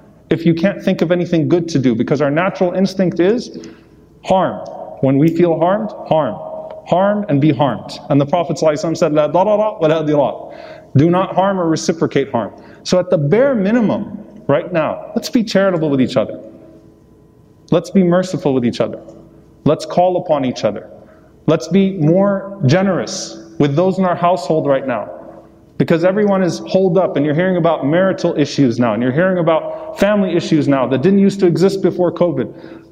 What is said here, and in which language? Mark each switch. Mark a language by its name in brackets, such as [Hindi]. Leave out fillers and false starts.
[English] If you can't think of anything good to do, because our natural instinct is harm. When we feel harmed, harm. Harm and be harmed. And the Prophet ﷺ said, [Arabic] لَا ضَرَرَ وَلَا ضِرَارَ. [English] Do not harm or reciprocate harm. So at the bare minimum, right now, let's be charitable with each other. Let's be merciful with each other. Let's call upon each other. Let's be more generous with those in our household right now. Because everyone is holed up, and you're hearing about marital issues now, and you're hearing about family issues now that didn't used to exist before COVID.